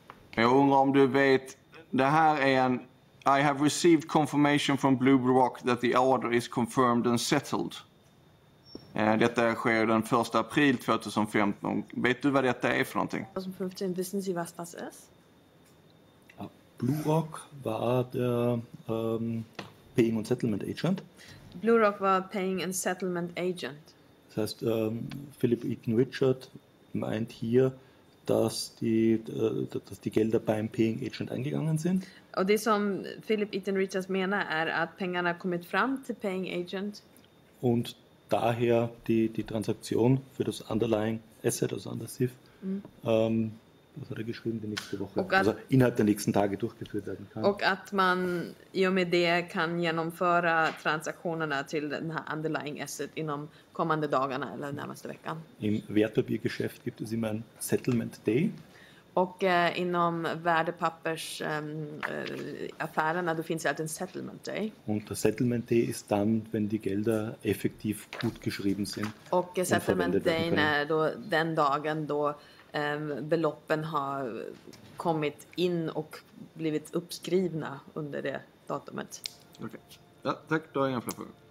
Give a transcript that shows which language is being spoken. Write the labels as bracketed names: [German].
[Swedish] Jag undrar om du vet, det här är en... [English] I have received confirmation from BlueRock that the order is confirmed and settled. [Swedish] Detta sker den 1 april 2015. Vet du vad detta är för någonting? [German] 2015, wissen Sie was das ist? Ja, BlueRock var der Paying and Settlement Agent. BlueRock war Paying and Settlement Agent. Das heißt, Philip Eaton Richard meint hier, dass die Gelder beim Paying Agent eingegangen sind. [Swedish] Och det som Philip Eaton Richards menar är att pengarna kommit fram till Paying Agent. [German] Und daher die Transaktion für das Underlying Asset, also Undersif, was hat geschrieben, die nächste Woche, also innerhalb der nächsten Tage durchgeführt werden kann. [Swedish] Och att man i och med det kan genomföra transaktionerna till den här underlying asset inom kommande dagarna eller närmaste veckan. [German] Im Wertpapiergeschäft gibt es immer ein Settlement Day. [Swedish] Och inom värdepappersaffärerna då finns det alltid en Settlement Day. [German] Und der Settlement Day ist dann, wenn die Gelder effektiv gut geschrieben sind. [Swedish] Och Settlement Day är då den dagen då beloppen har kommit in och blivit uppskrivna under det datumet. Okej. Okay. Ja, tack. Då har jag en fråga.